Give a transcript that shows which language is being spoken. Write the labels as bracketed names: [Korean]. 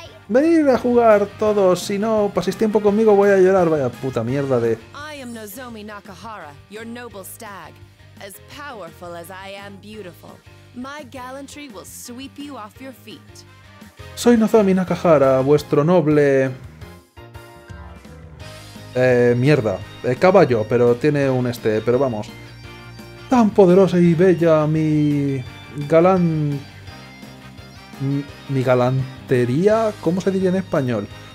[Spanish] Venid a jugar todos, si no paséis tiempo conmigo voy a llorar. Vaya puta mierda de... [English] Nozomi Nakahara, your noble stag, as powerful as I am beautiful, my gallantry will sweep you off your feet. [Spanish] Soy Nozomi Nakahara, vuestro noble mierda, caballo, pero tiene un este, pero vamos. Tan poderosa y bella mi galán mi galantería, ¿cómo se diría en español?